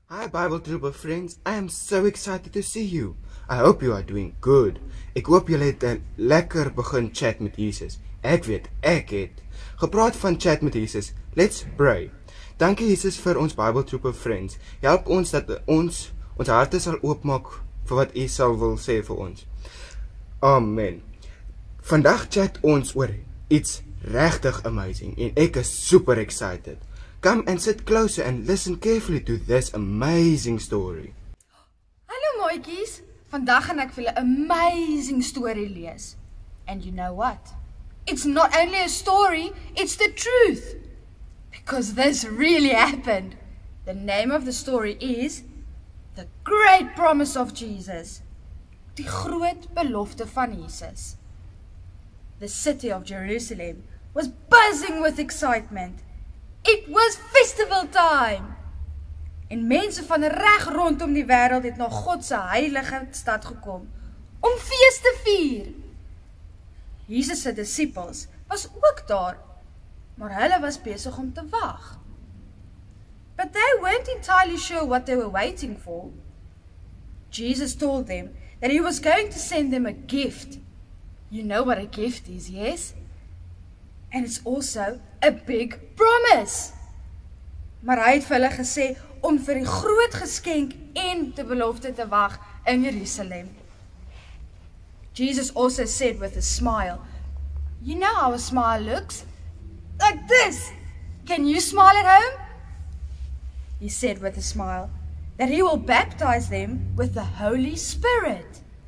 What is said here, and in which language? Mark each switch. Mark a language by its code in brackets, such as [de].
[en] Bible Trooper friends, I am so excited to see you. I hope you are doing good. [af] Ik hoop jullie het lekker begin chat met Jesus. Ek weet, ek het. Gepraat van chat met Jesus, [en] let's pray. [af] Dankie Jesus vir ons Bible Trooper friends. Help ons dat ons harte sal oopmaak vir wat U sal wil sê vir ons. Amen. Vandag chat ons oor iets regtig amazing en ek is super excited. [en] Come and sit closer and listen carefully to this amazing story. [af] Hallo mooikies, vandag gaan ek vir julle 'n amazing story lees. [en] And you know what? It's not only a story, it's the truth. Because this really happened. The name of the story is The Great Promise of Jesus. [af] Die groot belofte van Jesus. [en] The city of Jerusalem was buzzing with excitement. It was festival time. [af] En mense van reg rondom die wêreld het na God se heilige stad gekom om fees te vier. Jesus se disippels was ook daar, maar hulle was besig om te wag. [en] But they weren't entirely sure what they were waiting for. Jesus told them that he was going to send them a gift. You know what a gift is, yes? And it's also a big promise. [af] Maar hy het vir hulle gesê om vir die groot geskenk en die belofte te wag in Jerusalem. [en] Jesus also said with a smile, "You know how a smile looks? Like this. Can you smile at home?" He said with a smile that he will baptize them with the Holy Spirit.